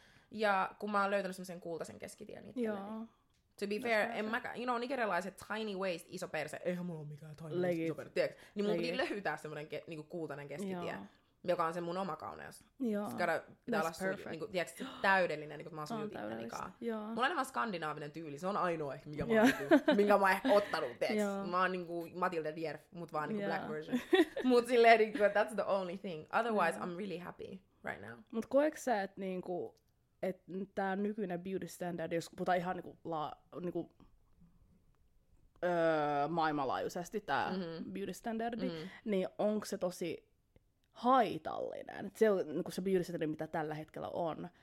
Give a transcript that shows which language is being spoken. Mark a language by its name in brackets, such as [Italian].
[Finnish] Ja kun mä oon löytänyt sellaisen kultaisen keskitien itselleni. [English] To be fair, [Finnish] en mä, [English] you know, [Finnish] nigerialaiset tiny waist, iso perse, eihän mulla ole mikään tiny waist, iso perse, tiedätkö? Niin mun piti löytää semmonen niinku kultainen keskitie, joka on se mun oma kauneus. Joo, [English] that's perfect. [Finnish] Niinku, tiedätkö, täydellinen, niinku, mä oon sujut itsellikaan. Mulla on enemmän skandinaavinen tyyli, se on ainoa ehkä, mikä mä, niinku, minkä mä oon ehkä ottanut, tiedätkö? Mä oon niinku Matilde Dierf, mut vaan niinku black version. Mut silleen, niinku, [English] that's the only thing. Otherwise, I'm really happy right now. [Finnish] Mut koetko sä, et niinku, että tämä nykyinen beauty standard, jos puhutaan ihan niinku maailmanlaajuisesti tämä beauty standardi, niin onko se tosi haitallinen? Et se on niinku se beauty standardi, mitä tällä hetkellä on.